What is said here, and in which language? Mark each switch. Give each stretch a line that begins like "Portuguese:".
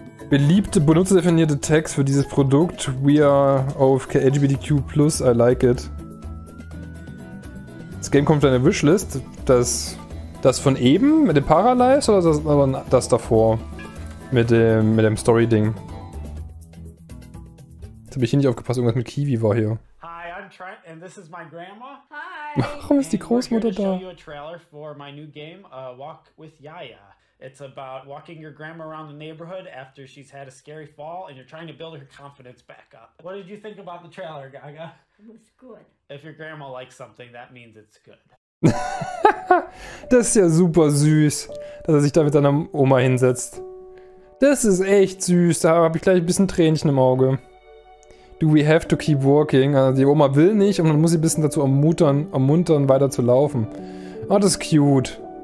German: Beliebte benutzerdefinierte Tags für dieses Produkt.
English: We are OFK LGBTQ+, I like it.
German: Das Game kommt in eine Wishlist. Das von eben mit dem Paralyze oder das davor? Mit dem Story-Ding. Jetzt habe ich hier nicht aufgepasst, irgendwas mit Kiwi war hier.
English: Hi, I'm Trent and this is my grandma. Hi.
German: Warum ist die Großmutter da?
English: Show you a trailer for my new game, Walk with Yaya. It's about walking your grandma around the neighborhood after she's had a scary fall and you're trying to build her confidence back up. What did you think about the trailer, Gaga? It was good. If your grandma likes something, that means it's good.
German: Das ist ja super süß, dass er sich da mit seiner Oma hinsetzt. Das ist echt süß, da habe ich gleich ein bisschen Tränchen im Auge.
English: Do we have to keep working?
German: Also die Oma will nicht und man muss sie ein bisschen dazu ermuntern, weiter zu laufen. Oh, das ist cute.